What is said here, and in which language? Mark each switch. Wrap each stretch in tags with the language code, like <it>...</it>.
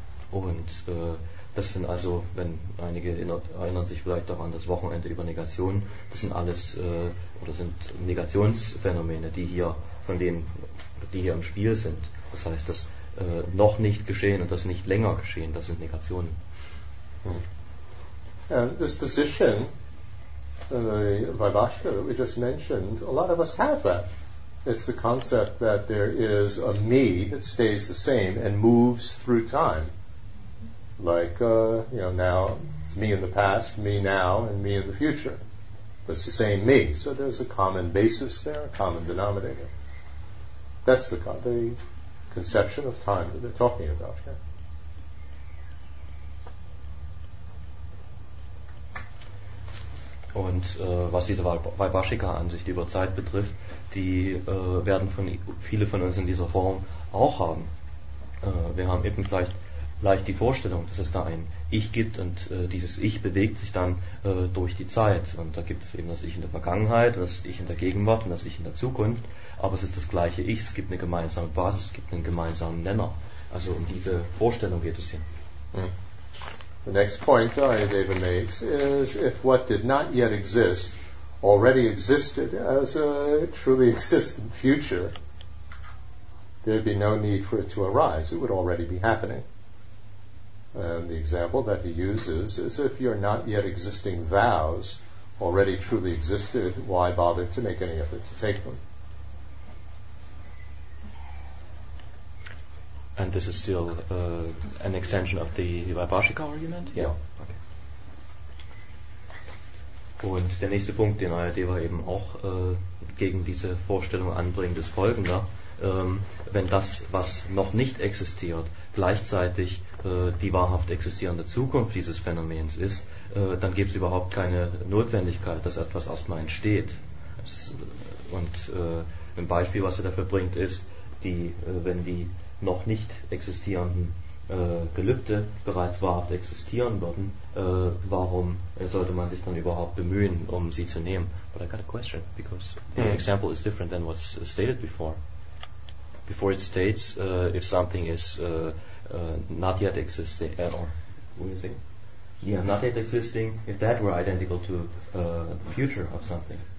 <de>Und das sind also, wenn einige erinnern sich vielleicht daran, das Wochenende über Negation, das sind alles oder sind Negationsphänomene, die hier im Spiel sind. Das heißt, das noch nicht geschehen und das nicht länger geschehen, das sind Negationen.</de> <en>And this position, the Vaibhashika that we just mentioned, a lot of us have that. It's the concept that there is a me that stays the same and moves through time. Like, now, it's me in the past, me now, and me in the future. But it's the same me, so there's a common basis there, a common denominator. That's the conception of time that they're talking about here.</en> <de>Und was diese Vaibhashika-Ansicht über Zeit betrifft, die werden viele von uns in dieser Form auch haben. Wir haben eben vielleicht leicht die Vorstellung, dass es da ein Ich gibt und dieses Ich bewegt sich dann durch die Zeit. Und da gibt es eben das Ich in der Vergangenheit, das Ich in der Gegenwart und das Ich in der Zukunft. Aber es ist das gleiche Ich, es gibt eine gemeinsame Basis, es gibt einen gemeinsamen Nenner. Also um diese Vorstellung geht es hier.</de> <en>The next point Ayadeva makes is if what did not yet exist already existed as a truly existent future, there'd be no need for it to arise. It would already be happening. And the example that he uses is if your not yet existing vows already truly existed, why bother to make any effort to take them? And this is still an extension of the Vaibhashika argument? Yeah. Okay.</en> <de>Und der nächste Punkt, den Ayadeva eben auch gegen diese Vorstellung anbringt, ist folgender. Wenn das, was noch nicht existiert, gleichzeitig die wahrhaft existierende Zukunft dieses Phänomens ist, dann gibt es überhaupt keine Notwendigkeit, dass etwas erstmal entsteht. Und ein Beispiel, was er dafür bringt, ist, wenn die noch nicht existierenden Gelübde bereits wahrhaft existieren würden, warum sollte man sich dann überhaupt bemühen, um sie zu nehmen?</de> <en>But I got a question, because the example is different than what's stated before. Before it states, if something is not yet existing, or what is it? Yeah, not yet existing, if that were identical to the future of something.</en>